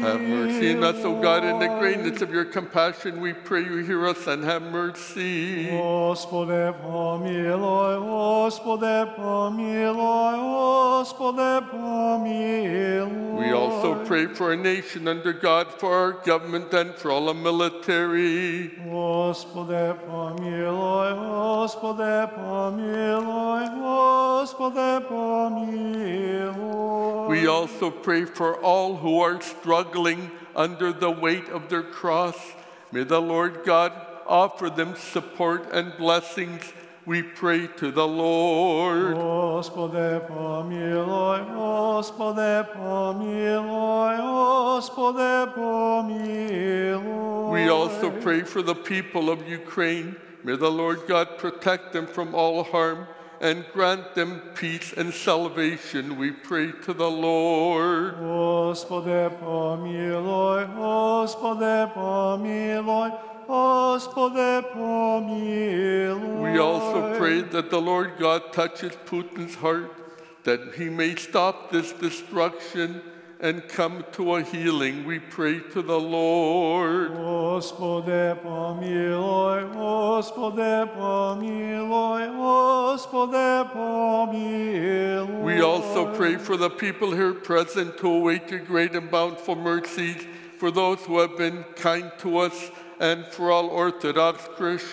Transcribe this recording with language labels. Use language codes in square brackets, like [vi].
[en] Have mercy on us, O God, in the greatness of your compassion, we pray you hear us and have mercy. [ru] Господи, помилуй. Господи, помилуй. Господи, помилуй. [en] We also pray for our nation under God, for our government, and for all the military. [ru] Господи, помилуй, Господи, помилуй, Господи, помилуй. [en] We also pray for all who are struggling under the weight of their cross. May the Lord God offer them support and blessings. We pray to the Lord. [ru] Господи, помилуй, Господи, помилуй, Господи, помилуй. [en] We also pray for the people of Ukraine. May the Lord God protect them from all harm and grant them peace and salvation. We pray to the Lord. [ru] Господи, помилуй, Господи, помилуй. [en] We also pray that the Lord God touches Putin's heart, that he may stop this destruction and come to a healing. We pray to the Lord. [ru] Господи, помилуй, Господи, помилуй, Господи, помилуй. [en] We also pray for the people here present who await your great and bountiful mercies, for those who have been kind to us, and for all Orthodox Christians.